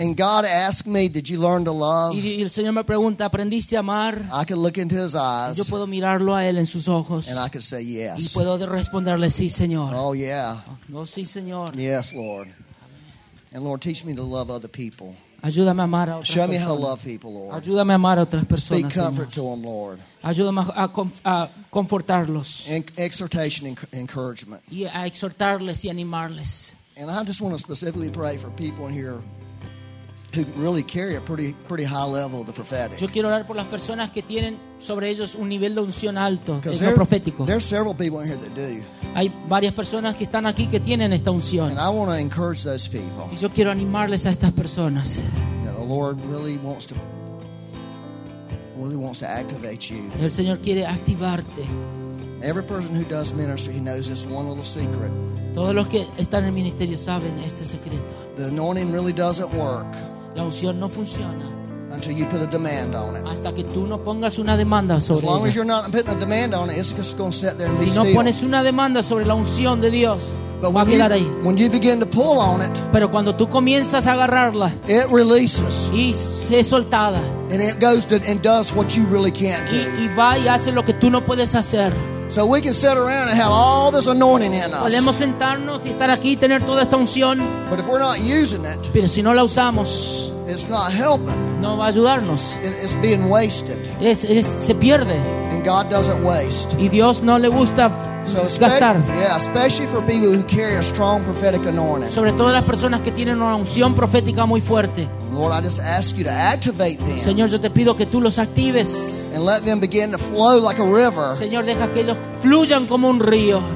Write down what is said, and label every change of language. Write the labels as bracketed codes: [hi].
[en] and God asked me, did you learn to love? [es] Y el Señor me pregunta, ¿aprendiste a amar? [en] I could look into his eyes. [es] Yo puedo mirarlo a él en sus ojos. [en] And I could say yes. [es] Y puedo responderle, sí, Señor. [en] Oh, yeah. [es] Oh, sí, Señor. [en] Yes, Lord. Amen. And Lord, teach me to love other people. [es] Ayúdame a amar a otras [en] Show [es] personas. [en] Me how to love people, Lord. [es] Ayúdame a amar a otras personas, [en] Speak comfort [es] Señor. [en] To them, Lord. [es] Ayúdame a confortarlos. [en] Exhortation and encouragement. [es] Y a exhortarles y animarles. [en] And I just want to specifically pray for people in here who really carry a pretty high level of the prophetic. [es] Yo quiero orar por las personas que tienen sobre ellos un nivel de unción alto, de lo profético. [en] There are several people in here that do. [es] Hay varias personas que están aquí que tienen esta unción. [en] And I want to encourage those people. [es] Y yo quiero animarles a estas personas. [en] Yeah, the Lord really wants to activate you. [es] El Señor quiere activarte. [en] Every person who does ministry, he knows this one little secret. [es] Todos los que están en el ministerio saben este secreto. [en] The anointing really doesn't work. [es] La unción no funciona. [en] Until you put a demand on it. [es] Hasta que tú no pongas una demanda sobre [en] As long [es] ella. [en] As you're not putting a demand on it, it's just going to sit there and [es] si [en] be [es] no [en] still. [es] Si no pones una demanda sobre la unción de Dios, [en] But [es] va a quedar ahí. [en] When you begin to pull on it, [es] pero cuando tú comienzas a agarrarla, [en] it releases. [es] Y es soltada. [en] And it goes to, and does what you really can't do. [es] Y va y hace lo que tú no puedes hacer. [en] So we can sit around and have all this anointing in us. [es] Podemos sentarnos y estar aquí y tener toda esta unción. [en] But if we're not using it, [es] pero si no la usamos, [en] it's not helping. [es] No va a ayudarnos. [en] It's being wasted. [es] Se pierde. [en] And God doesn't waste. [es] Y Dios no le gusta gastar. [en] Yeah, especially for people who carry a strong prophetic anointing. [es] Sobre todo las personas que tienen una unción profética muy fuerte. [en] Lord, I just ask you to activate them. [es] Señor, yo te pido que tú los actives. [en] And let them begin to flow like a river. [es] Señor, deja que ellos fluyan como un río.